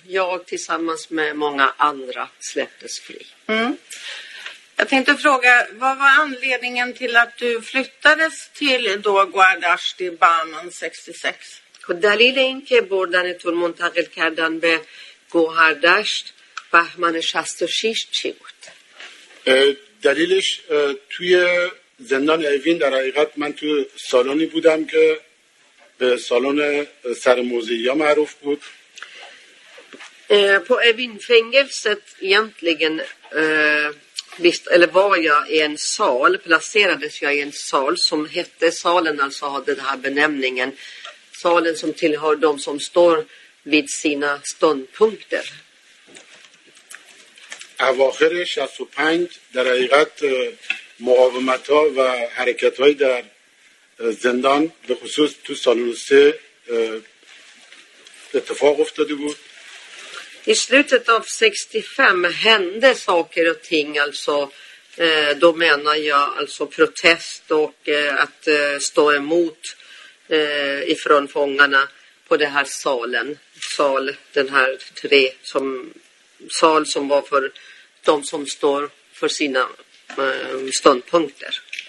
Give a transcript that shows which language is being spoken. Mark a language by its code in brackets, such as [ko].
[sv] Jag tillsammans med många andra släpptes fri. Mm. Jag tänkte fråga, vad var anledningen till att du flyttades till då Guardasht i Baman 66? [fa] دلیل اینکه بردنتون منتقل کردن به گوهردشت بهمن 66 چی بود؟ دلیلش توی زندان اوین در حقیقت من تو سالونی بودم که به سالن سر موزه یا معروف بود. [sv] På Evin-fängelset egentligen visst, eller var jag i en sal, placerades jag i en sal som hette salen, alltså hade den här benämningen. Salen som tillhör de som står vid sina ståndpunkter. [fa] اواخر 65 در حقیقت مقاومت ها و حرکت های در زندان به خصوص تو سالن 3 اتفاق افتاده بود. [sv] I slutet av 65 hände saker och ting, alltså då menar jag alltså protest och att stå emot ifrån fångarna på det här salen, sal den här tre som sal som var för de som står för sina ståndpunkter.